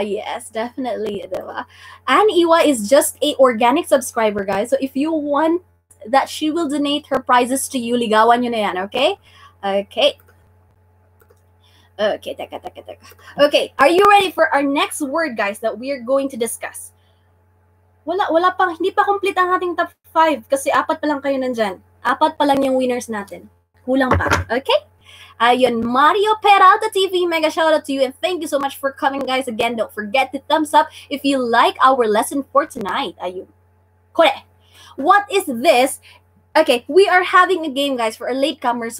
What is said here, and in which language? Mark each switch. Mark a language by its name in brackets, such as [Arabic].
[English] Yes, definitely. Diba? Ann Iwa is just a organic subscriber, guys. So if you want that, she will donate her prizes to you. [Filipino] Ligawan nyo na yan, okay? Okay. Okay, teka, teka, teka. [English] Okay, are you ready for our next word, guys, that we are going to discuss? [Filipino] Wala pa, hindi pa complete ang ating top 5 kasi apat pa lang kayo nandyan. Apat pa lang yung winners natin. Kulang pa, okay? [English] Ayun, Mario Peralta TV, mega shout out to you and thank you so much for coming, guys. Again, don't forget to thumbs up if you like our lesson for tonight. Ayun. Kore. What is this? Okay, we are having a game, guys, for our latecomers.